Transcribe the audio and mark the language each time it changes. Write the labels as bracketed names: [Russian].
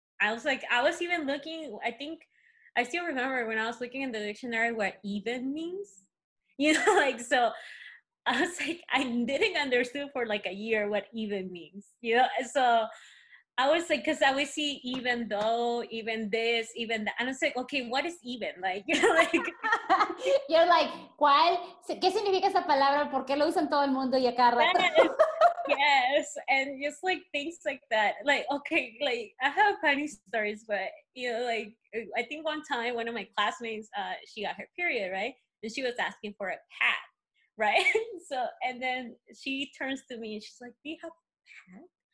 [English] I was like, I was even looking, I think, I still remember when I was looking in the dictionary what even means, you know, like, so I was like, I didn't understand for like a year what even means, you know? So I was like, cause I would see even though, even this, even that. And I was like, okay, what is even? Like, you're like, you're like, [Spanish] ¿cuál? ¿Qué significa esa palabra? ¿Por qué lo usan todo el mundo y a cada rato? [English] Yes, and just like things like that, like, okay, like I have funny stories, but you know, like I think one time one of my classmates, she got her period, right? And she was asking for a pad, right? So, and then she turns to me and she's like, do you have a pad?